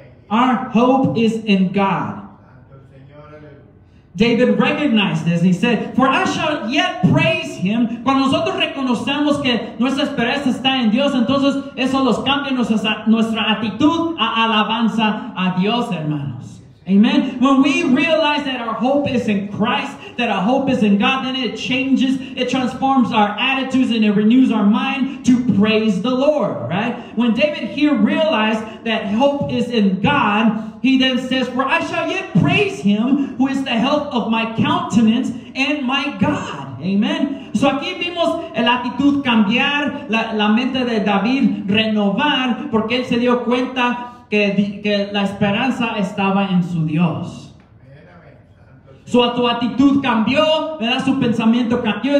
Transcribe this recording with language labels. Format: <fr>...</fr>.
<en>Our hope is in God. David recognized this. He said, for I shall yet praise him.</en> <es>Cuando nosotros reconocemos que nuestra esperanza está en Dios, entonces eso nos cambia nuestra actitud a alabanza a Dios, hermanos.</es> <en>Amen. When we realize that our hope is in Christ, that our hope is in God, then it changes, it transforms our attitudes, and it renews our mind to praise the Lord, right? When David here realized that hope is in God, he then says, for I shall yet praise him who is the help of my countenance and my God. Amen.</en> <es>So aquí vimos la actitud cambiar, la mente de David renovar, porque él se dio cuenta que la esperanza estaba en su Dios. So tu actitud cambió, ¿verdad? Su pensamiento cambió.</es>